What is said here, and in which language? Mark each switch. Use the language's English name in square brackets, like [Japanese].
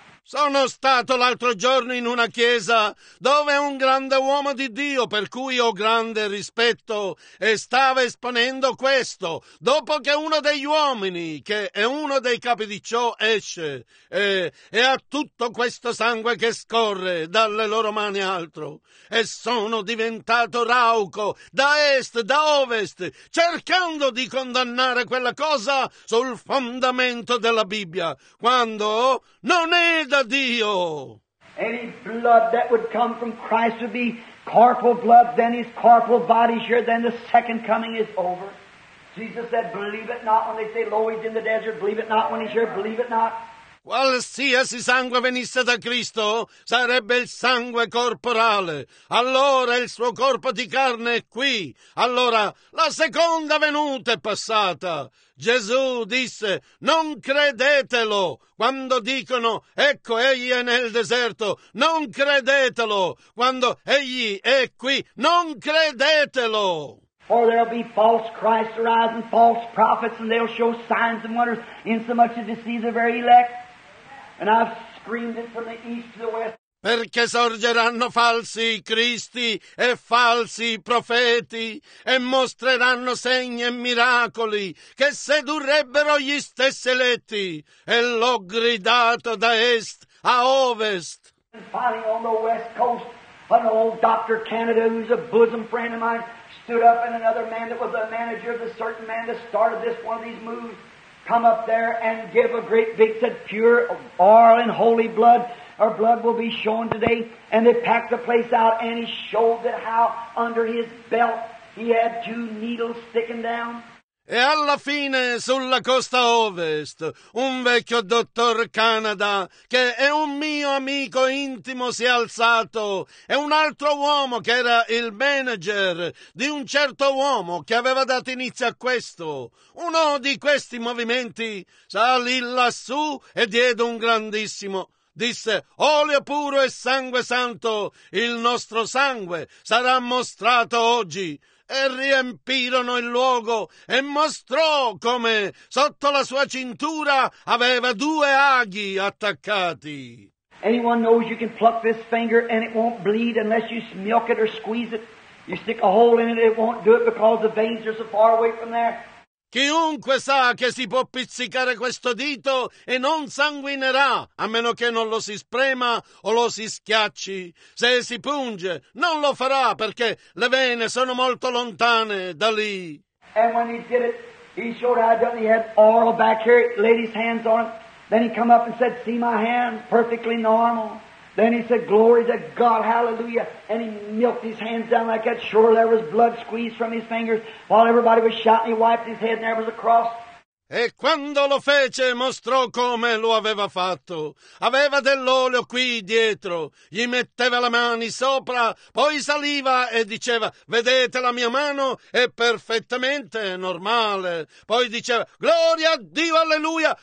[Italian] Sono stato l'altro giorno in una chiesa dove un grande uomo di Dio, per cui ho grande rispetto, stava esponendo questo. Dopo che uno degli uomini, che è uno dei capi di ciò, esce e ha tutto questo sangue che scorre dalle loro mani altro. E sono diventato rauco da est, da ovest, cercando di condannare quella cosa sul fondamento della Bibbia, quando non è da Dio. [English] Any blood that would come from Christ would be corporal blood, then his corporal body here, then the second coming is over. Jesus said, believe it not when they say, lo, he's in the desert, believe it not when he's here, believe it not. [Italian] Qualsiasi sangue venisse da Cristo sarebbe il sangue corporale. Allora il suo corpo di carne è qui. Allora la seconda venuta è passata. Gesù disse, non credetelo quando dicono, ecco egli è nel deserto. Non credetelo quando egli è qui. Non credetelo. [English] For there'll be false Christ arising, false prophets, and they'll show signs and wonders insomuch as deceive the very elect. And I've screamed it from the east to the west. [Italian] Perché sorgeranno falsi cristi e falsi profeti e mostreranno segni e miracoli che sedurrebbero gli stessi eletti. E l'ho gridato da est a ovest. [English] And finally on the west coast, an old Dr. Canada, who's a bosom friend of mine, stood up, and another man that was the manager of a certain man that started this one of these moves, come up there and give a great big, said, pure oil and holy blood. Our blood will be shown today. And they packed the place out, and he showed that how under his belt he had two needles sticking down. [Italian] E alla fine, sulla costa ovest, un vecchio dottor Canada, che è un mio amico intimo, si è alzato, e un altro uomo che era il manager di un certo uomo che aveva dato inizio a questo, uno di questi movimenti, salì lassù e diede un grandissimo. Disse, olio puro e sangue santo, il nostro sangue sarà mostrato oggi. E riempirono il luogo e mostrò come sotto la sua cintura aveva due aghi attaccati. [English] Anyone knows you can pluck this finger and it won't bleed unless you milk it or squeeze it. You stick a hole in it, it won't do it because the veins are so far away from there. [Italian] Chiunque sa che si può pizzicare questo dito e non sanguinerà, a meno che non lo si sprema o lo si schiacci. Se si punge, non lo farà perché le vene sono molto lontane da lì. [English] And when he did it, he showed how he had oil back here, laid his hands on it. Then he come up and said, see my hand, perfectly normal. Then he said, glory to God, hallelujah. And he milked his hands down like that. Sure, there was blood squeezed from his fingers while everybody was shouting. He wiped his head and there was a cross. [Italian] E quando lo fece, mostrò come lo aveva fatto. Aveva dell'olio qui dietro. Gli metteva le mani sopra, poi saliva e diceva, vedete la mia mano? È perfettamente normale. Poi diceva, gloria a Dio, alleluia!